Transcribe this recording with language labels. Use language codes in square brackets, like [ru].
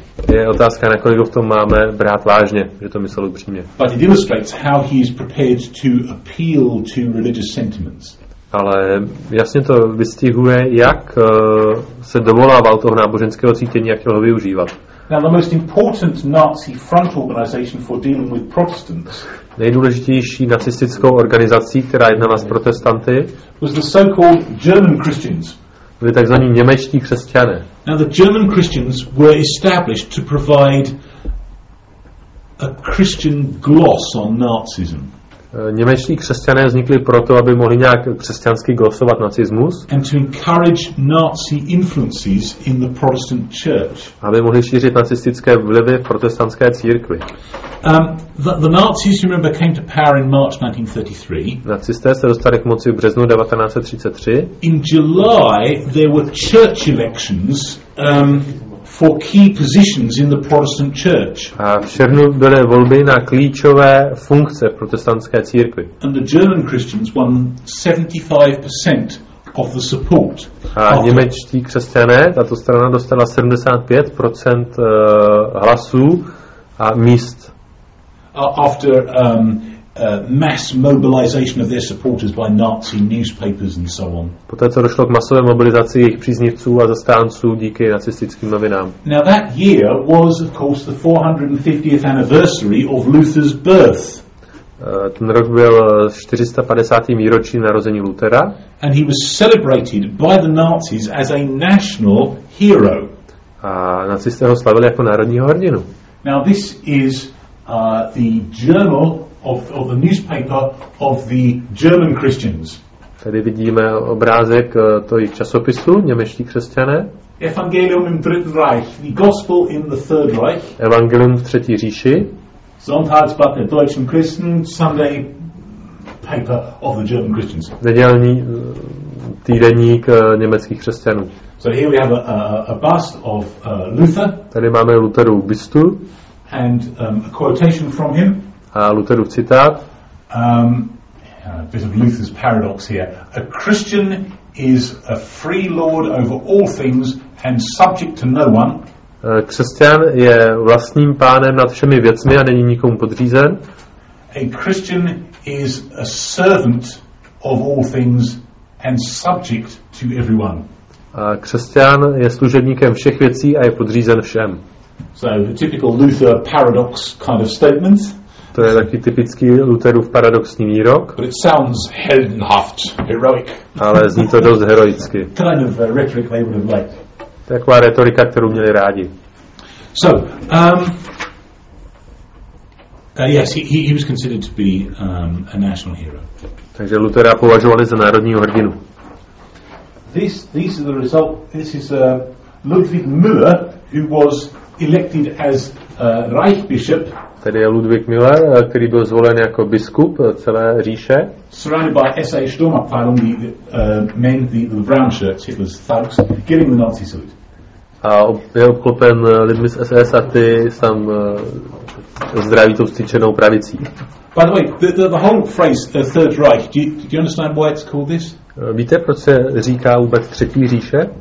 [cs] Je otázka, na kolik ho v tom máme brát vážně, že to myslel upřímně. [en] But it illustrates how he is prepared to appeal to religious sentiments. [cs] Ale jasně to vystihuje, jak se dovolával toho náboženského cítění a chtěl ho využívat. [en] Now the most important Nazi front organization for dealing with Protestants. [cs] Nejdůležitější nacistickou organizací, která jednala s protestanty, [en] was the so-called German Christians. [cs] Byli takzvaní němečtí křesťané. [en] Now the German Christians were established to provide a Christian gloss on Nazism. [cs] Němečtí křesťané vznikli proto, aby mohli nějak křesťansky glosovat nacismus. [en] And to encourage Nazi influences in the Protestant church. [cs] Aby mohli šířit nacistické vlivy v protestantské církvi. [en] The Nazis, you remember, came to power in March 1933. [cs] Nacisté se dostali k moci v březnu 1933. [en] In July there were church elections for key positions in the Protestant church. [cs] A v červnu byly volby na klíčové funkce v protestantské církvi. [en] And the German Christians won 75% of the support. [cs] A němečtí křesťané, tato strana dostala 75% hlasů a míst. [en] After mass mobilization of their supporters by Nazi newspapers and so on. [cs] Poté co došlo k masové mobilizaci jejich příznivců a zastánců díky nacistickým novinám. [en] Now that year was of course the 450th anniversary of Luther's birth. [cs] Ten rok byl 450. výročí narození Lutera. [en] And he was celebrated by the Nazis as a national hero. [cs] A nacisté ho slavili jako národního hrdinu. [en] Now this is the journal of the newspaper of the German Christians. [cs] Tady vidíme obrázek toho časopisu němečtí křesťané. [de] Evangelium im Dritten Reich, [en] the Gospel in the Third Reich. [cs] Evangelium v třetí říši. [de] Sonntagsblatt der deutschen Christen, [en] Sunday paper of the German Christians. [cs] Nedělní týdeník německých křesťanů. [en] So here we have a bust of Luther. [cs] Tady máme Lutherův bustu. [en] And a quotation from him. [cs] A Lutherův citát. [en] A bit of Luther's paradox here. A Christian is a free lord over all things and subject to no one. [cs] Křesťan je vlastním pánem nad všemi věcmi a není nikomu podřízen. [en] A Christian is a servant of all things and subject to everyone. [cs] A křesťan je služebníkem všech věcí a je podřízen všem. [en] So a typical Luther paradox kind of statement. [cs] To je taky typický Lutherův paradoxní výrok. [en] But it sounds heldenhaft, heroic. [cs] Ale zní to dost heroicky. [en] Kind of rhetoric they would have liked. [cs] Taková retorika, kterou měli rádi. [en] So, yes, he was considered to be a national hero. [cs] Takže Luthera považovali za národního hrdinu. [en] This is the result. This is Ludwig Müller, who was elected as Reich Bishop. [cs] Tady je Ludwig Müller, který byl zvolen jako biskup celé říše. [en] Surrounded by SA Sturmabteilung, the brown shirts, Hitler's thugs, giving the Nazi salute. [cs] A je obklopen lidmi z SS a ty sám zdraví tou vstyčenou pravicí. [en] By the way, the whole phrase, the Third Reich, do you understand why it's called this? [cs] Víte, proč se říká vůbec třetí říše?